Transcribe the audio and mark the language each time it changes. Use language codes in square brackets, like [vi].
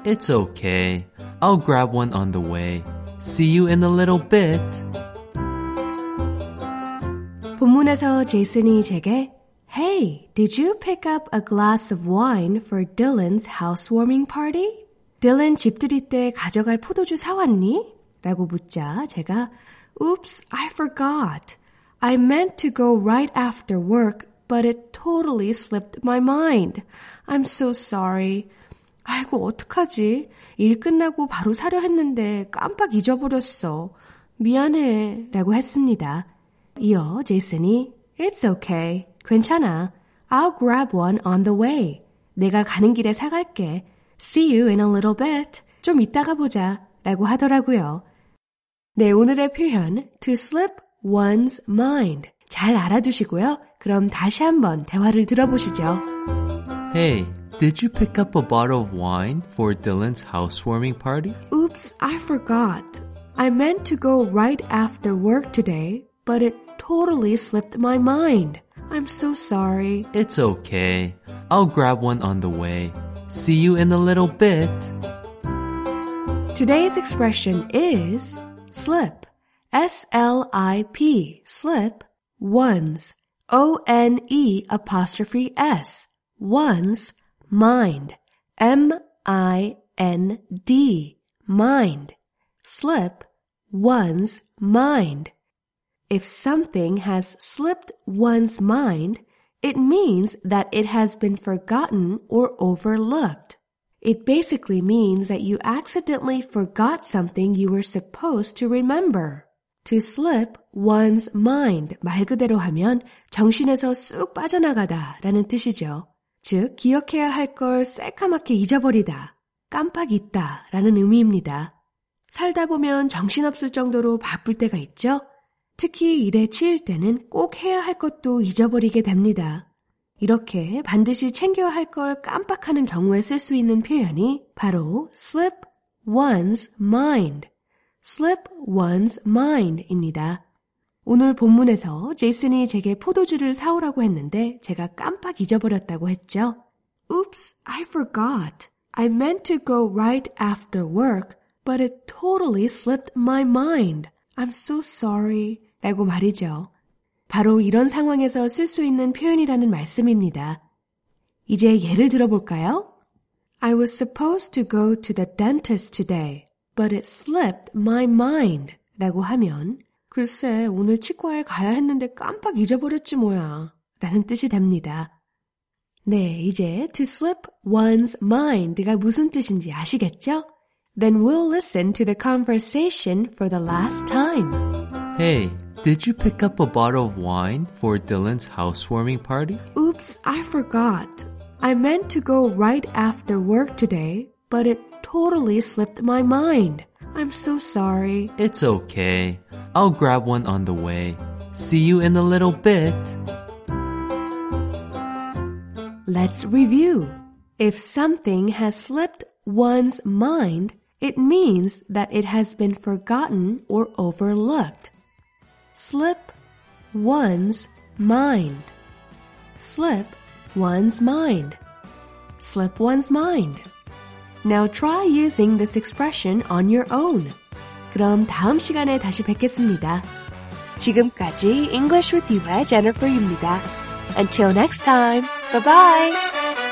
[en] It's okay. I'll grab one on the way. See you in a little bit. [ko] 본문에서 제이슨이 제게 [en] Hey, did you pick up a glass of wine for Dylan's housewarming party? [ko] Dylan 집들이 때 가져갈 포도주 사왔니? 라고 묻자 제가 [en] Oops, I forgot. I meant to go right after work, but it totally slipped my mind. I'm so sorry. [ko] 아이고, 어떡하지? 일 끝나고 바로 사려 했는데 깜빡 잊어버렸어. 미안해. 라고 했습니다. 이어 제이슨이 [en] It's okay. [ko] 괜찮아. [en] I'll grab one on the way. [ko] 내가 가는 길에 사갈게. [en] See you in a little bit. [ko] 좀 이따가 보자. 라고 하더라고요. 네, 오늘의 표현 to slip one's mind. 잘 알아두시고요. 그럼 다시 한번 대화를 들어보시죠. [en] Hey, did you pick up a bottle of wine for Dylan's housewarming party? Oops, I forgot. I meant to go right after work today. But it totally slipped my mind. I'm so sorry. It's okay. I'll grab one on the way. See you in a little bit. Today's expression is slip. S-L-I-P. Slip. One's. O-N-E apostrophe S. One's. Mind. M-I-N-D. Mind. Slip. One's. Mind. If something has slipped one's mind, it means that it has been forgotten or overlooked. It basically means that you accidentally forgot something you were supposed to remember. To slip one's mind, [ko] 말 그대로 하면 정신에서 쑥 빠져나가다 라는 뜻이죠. 즉, 기억해야 할 걸 새까맣게 잊어버리다, 깜빡 잊다 라는 의미입니다. 살다 보면 정신없을 정도로 바쁠 때가 있죠? 특히 일에 치일 때는 꼭 해야 할 것도 잊어버리게 됩니다. 이렇게 반드시 챙겨야 할 걸 깜빡하는 경우에 쓸 수 있는 표현이 바로 slip one's mind. slip one's mind입니다. 오늘 본문에서 제이슨이 제게 포도주를 사오라고 했는데 제가 깜빡 잊어버렸다고 했죠. [en] Oops, I forgot. I meant to go right after work, but it totally slipped my mind. I'm so sorry. [ko] 라고 말이죠. 바로 이런 상황에서 쓸 수 있는 표현이라는 말씀입니다. 이제 예를 들어볼까요? [en] I was supposed to go to the dentist today, but it slipped my mind. [ko] 라고 하면 글쎄, 오늘 치과에 가야 했는데 깜빡 잊어버렸지 뭐야. 라는 뜻이 됩니다. 네, 이제 to slip one's mind가 무슨 뜻인지 아시겠죠? [en] Then we'll listen to the conversation for the last time. Hey, did you pick up a bottle of wine for Dylan's housewarming party? Oops, I forgot. I meant to go right after work today, but it totally slipped my mind. I'm so sorry. It's okay. I'll grab one on the way. See you in a little bit. Let's review. If something has slipped one's mind, it means that it has been forgotten or overlooked. Slip one's mind. Slip one's mind. Slip one's mind. Now try using this expression on your own. [ko] 그럼 다음 시간에 다시 뵙겠습니다. 지금까지 English with You의 Jennifer입니다. [en] Until next time, bye-bye!